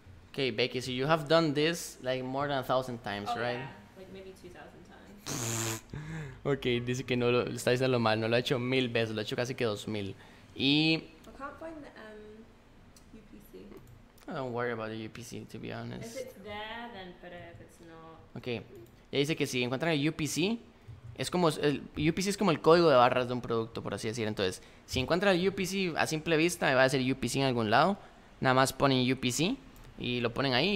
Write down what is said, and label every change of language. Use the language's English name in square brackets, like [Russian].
[English] Okay, Becky, so you have done this like more than 1,000 times, oh, right? Yeah. Like maybe 2,000 times. [Spanish] Okay, dice que no lo está diciendo mal, no lo ha hecho 1,000 veces, lo ha hecho casi que 2,000. Y [English] I can't find the UPC. I don't worry about the UPC, to be honest. If it's there, then put it. If it's not. Okay. [Spanish] Ya dice que si encuentran el UPC, es como el UPC es como el código de barras de un producto, por así decir. Entonces, si encuentra el UPC a simple vista, va a decir UPC en algún lado. Nada más ponen UPC y lo ponen ahí.